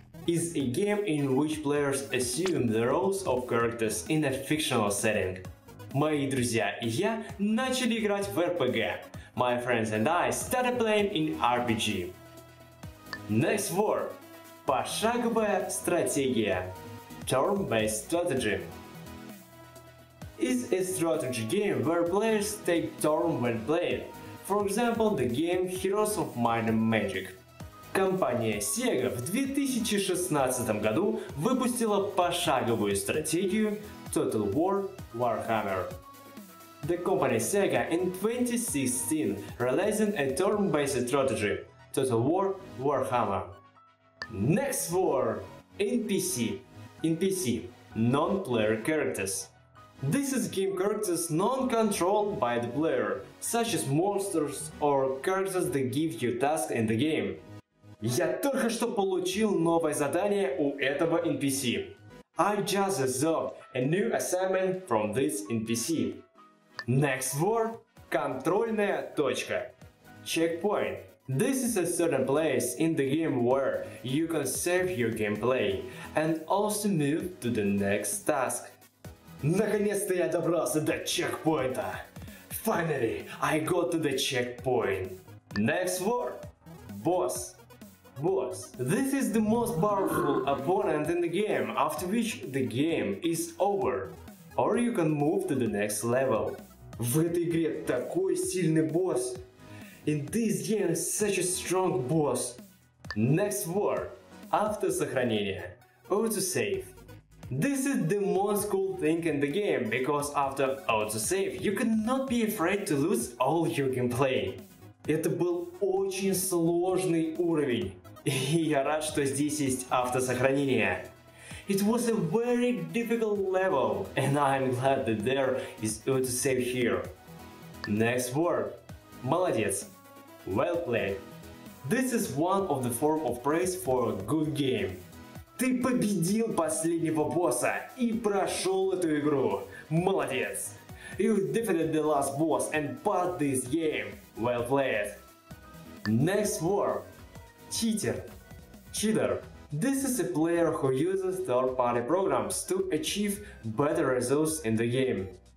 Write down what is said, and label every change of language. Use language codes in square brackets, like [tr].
[en] Is a game in which players assume the roles of characters in a fictional setting. [ru] Мои друзья и я начали играть в RPG. [en] My friends and I started playing in RPG. Next word. Пошаговая стратегия. Turn-based strategy. Is a strategy game where players take turns when playing. For example, the game Heroes of Might and Magic. [ru] Компания Sega в 2016 году выпустила пошаговую стратегию Total War Warhammer. [en] The company Sega in 2016 released a turn-based strategy Total War Warhammer. Next word NPC. NPC, non-player characters. This is game characters non-controlled by the player, such as monsters or characters that give you tasks in the game. [ru] Я только что получил новое задание у этого NPC. [en] I just absorbed a new assignment from this NPC. Next word – контрольная точка. Checkpoint. This is a certain place in the game where you can save your gameplay and also move to the next task. [ru] Наконец-то я добрался до чекпоинта! [en] Finally, I got to the checkpoint! Next word – Boss. Boss. This is the most powerful opponent in the game, after which the game is over. Or you can move to the next level. [ru] В этой игре такой сильный босс! [en] In this game, such a strong boss! Next word – автосохранение. Autosave. This is the most cool thing in the game, because after autosave, you cannot be afraid to lose all your gameplay. [ru] Это был очень сложный уровень, и я рад, что здесь есть автосохранение. [en] It was a very difficult level, and I'm glad that there is autosave here. Next word. Молодец. Well played. This is one of the form of praise for a good game. [ru] Ты победил последнего босса и прошел эту игру. Молодец. [en] You defeated the last boss and passed this game. Well played. Next word. Cheater. Cheater. This is a player who uses third-party programs to achieve better results in the game.